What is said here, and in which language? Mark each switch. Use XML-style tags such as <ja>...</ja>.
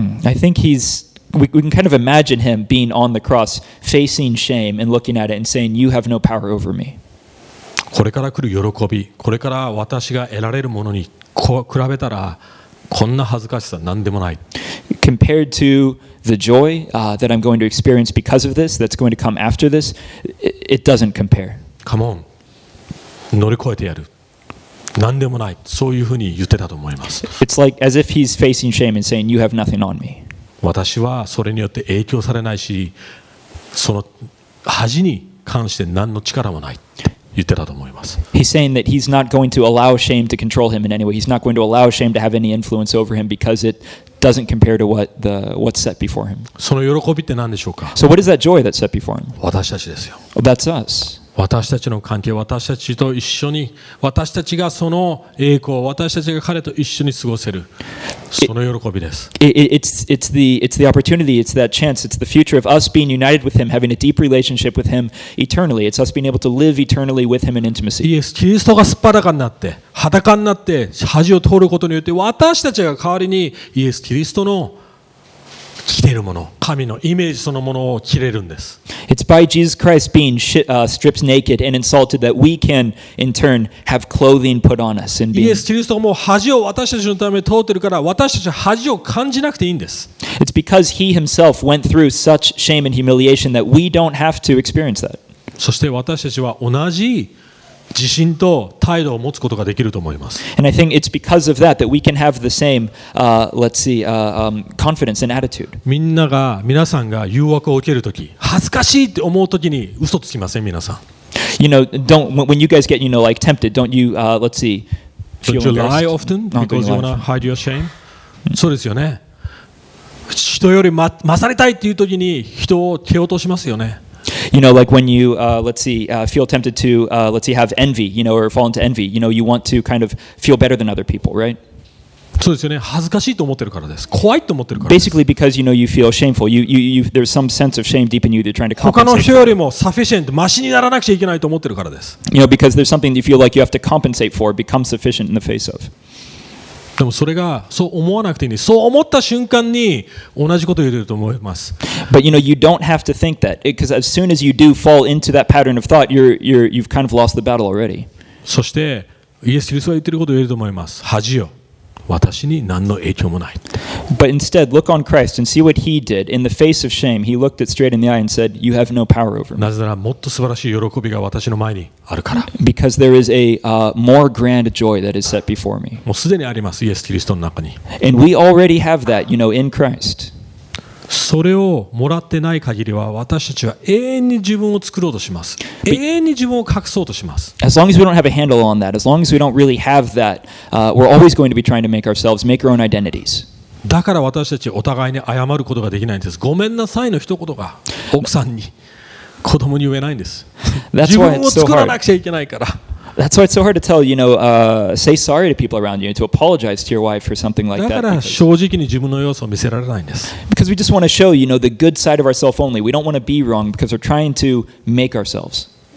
<en>I think he'sWe can kind of imagine him being on the cross, facing shame and looking at it and saying, "You have no power over me."</en> <ja>これから来る喜び、これから私が得られるものに比べたら、こんな恥ずかしさ何でもない。</ja> <en>Compared to the joy that I'm going to experience because of this, that's going to come after this, it doesn't compare. Come on,</en> <ja>乗り越えてやる。何でもない。そういうふうに言ってたと思います。</ja> <en>It's like as if he's facing shame and saying, "You have nothing on me."</en> <ja>私はそれによって影響されないし、その恥に関して何の力もないって言ってたと思います。</ja> <en>He's saying that he's not going to allow shame to control him in any way. He's not going to allow shame to have any influence over him because it doesn't compare to what's set before him.</en> <ja>その喜びって何でしょうか?</ja> <en>So what is that joy that's set before him?</en> <ja>私たちですよ。</ja> <en>That's us.</en> <ja>私たちの関係、私たちと一緒に、私たちがその栄光、私たちが彼と一緒に過ごせる、その喜びです。</ja> <en>It's the opportunity, it's that chance, it's the future of us being united with him, having a deep relationship with him eternally. It's us being able to live eternally with him in intimacy.</en> <ja>イエス、キリストがすっぱらかになって、裸になって、恥を通ることによって、私たちが代わりにイエス、キリストの着ているもの、神のイメージそのものを着れるんです。</ja> <en>It's by Jesus Christ being stripped naked and insulted that we can in turn have clothing put on us and be.</en> <ja>イエス・キリストも恥を私たちのために通ってるから私たちは恥を感じなくていいんです。</ja> <en>It's because he himself went through such shame and humiliation that we don't have to experience that.</en> <ja>そして私たちは同じ自信と態度を持つことができると思います。</ja> <en>And I think it's because of that that we can have the same, let's see, confidence and attitude.</en> <ja>みんなが誘惑を受けるとき、恥ずかしいって思うときに嘘つきません、皆さん。</ja> <en>You know, don't when you guys get you know like tempted, don't you? Let's see. Don't you lie often because you wanna hide your shame?</en> <ja>そうですよね。人より勝りたいっていうときに人を蹴落としますよね。</ja> <en>You know, like when you, feel tempted to, have envy, you know, or fall into envy, you know, you want to kind of feel better than other people, right?</en> <ja>そうですよね。恥ずかしいと思ってるからです。怖いと思ってるからです。</ja> <en>Basically because, you know, you feel shameful. You, there's some sense of shame deep in you that you're trying to compensate.</en> <ja>他の人よりも sufficient、マシにならなくちゃいけないと思ってるからです。</ja> <en>You know, because there's something you feel like you have to compensate for, become sufficient in the face of.</en> <ja>でもそれがそう思わなくていいんです。そう思った瞬間に同じことを言っていると思います。</ja> <en>But you know, you don't have to think that. Because as soon as you do fall into that pattern of thought, you've kind of lost the battle already.</en> <ja>そして、イエス・キリストが言っていることを言っていると思います。恥よ。私に何の影響もない。</ja> <en>But instead, look on Christ and see what he did. In the face of shame, he looked it straight in the eye and said, You have no power over me.</en> <ja>なぜならもっと素晴らしい喜びが私の前にあるから。</ja> <en>Because there is a more grand joy that is set before me.</en> <ja>もうすでにあります、イエス・キリストの中に。</ja> <en>And we already have that, you know, in Christ.</en> <ja>それをもらってない限りは私たちは永遠に自分を作ろうとします。永遠に自分を隠そうとします。</ja> <en>As long as we don't have a handle on that, as long as we don't really have that, we're always going to be trying to make ourselves, make our own identities.</en> <ja>だから私たちお互いに謝ることができないんです。ごめんなさいの一言が奥さんに子供に言えないんです。自分を作らなくちゃいけないから。</ja> <en>That's why it's so hard to tell, you know, say sorry to people around you and to apologize to your wife for something like that. Because we just want to show, you know, the good side of ourselves only. We don't want to be wrong because we're trying to make ourselves.</en>